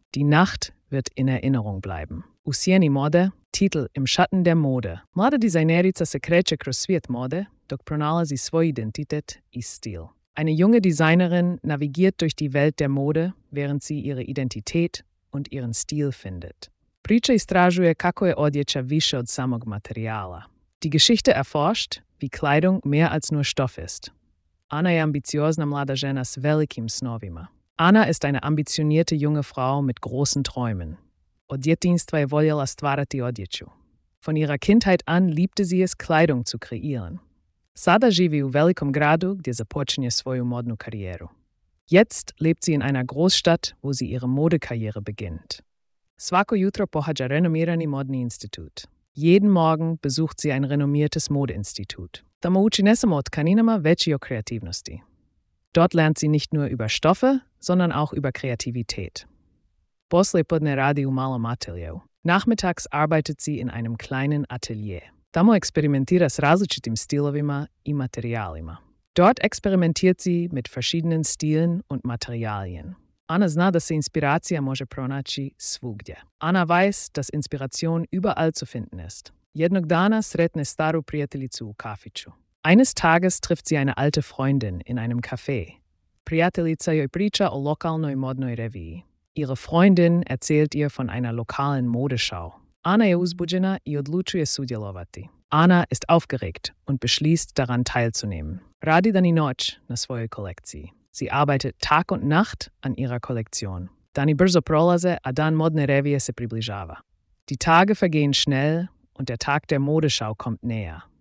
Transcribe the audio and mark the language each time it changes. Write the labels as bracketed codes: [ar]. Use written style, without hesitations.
[de] Die Nacht wird in Erinnerung bleiben. [hr] U sjeni mode, [de] Titel im Schatten der Mode. [hr] Mlada dizajnerica se kreće kroz svijet mode, dok pronalazi svoj identitet i stil. [de] Eine junge Designerin navigiert durch die Welt der Mode, während sie ihre Identität und ihren Stil findet. [hr] Priča istražuje kako je odjeća više od samog materijala. [de] Die Geschichte erforscht, wie Kleidung mehr als nur Stoff ist. [hr] Ana je ambiciozna mlada žena s velikim snovima. [de] Ana ist eine ambitionierte junge Frau mit großen Träumen. [hr] Od djetinjstva je voljela stvarati odjeću. [de] Von ihrer Kindheit an liebte sie es, Kleidung zu kreieren. [hr] Sada živi u velikom gradu, gdje započinje svoju modnu karijeru. [de] Jetzt lebt sie in einer Großstadt, wo sie ihre Modekarriere beginnt. [hr] Svako jutro pohađa renomirani modni institut. [de] Jeden Morgen besucht sie ein renommiertes Modeinstitut. [hr] Tamo uči ne samo o tkaninama, već i o kreativnosti. [de] Dort lernt sie nicht nur über Stoffe, sondern auch über Kreativität. [hr] Posle podne radi u malom ateljeu. [de] Nachmittags arbeitet sie in einem kleinen Atelier. [hr] Tamo experimentira s različitim stilovima i materijalima. [de] Dort experimentiert sie mit verschiedenen Stilen und Materialien. [hr] Ana zna da se inspiracija može pronaći svugdje. [de] Ana weiß, dass Inspiration überall zu finden ist. [hr] Jednog dana sretne staru prijateljicu u kafiću. [de] Eines Tages trifft sie eine alte Freundin in einem Café. [hr] Prijateljica joj priča o lokalnoj modnoj reviji. [de] Ihre Freundin erzählt ihr von einer lokalen Modeschau. [hr] Ana je uzbuđena i odlučuje sudjelovati. [de] Ana ist aufgeregt und beschließt, daran teilzunehmen. [hr] Radi dani noć na svojoj kolekciji. [de] Sie arbeitet Tag und Nacht an ihrer Kollektion. [hr] Dani brzo prolaze, a dan modne revije se približava. [de] Die Tage vergehen schnell und der Tag der Modeschau kommt näher.